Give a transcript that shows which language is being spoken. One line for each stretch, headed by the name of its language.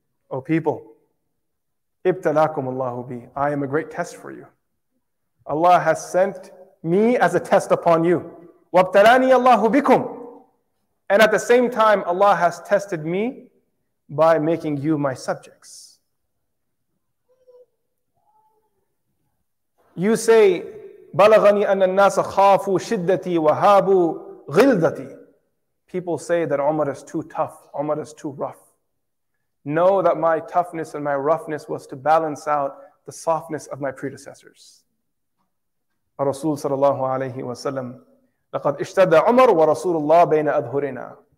English: O people,
Arabic: ابتلاكم الله بي.
English: I am a great test for you. Allah has sent me as a test upon you.
Arabic: وابتلاني الله بكم.
English: And at the same time, Allah has tested me by making you my subjects. You say,
Arabic: بلغني أن الناس خافوا شدتي وهابوا غلدتي.
English: People say that Umar is too tough, Umar is too rough. Know that my toughness and my roughness was to balance out the softness of my predecessors.
Arabic: Rasul sallallahu alayhi wa sallam, لقد اشتد عمر ورسول الله بين أظهرنا.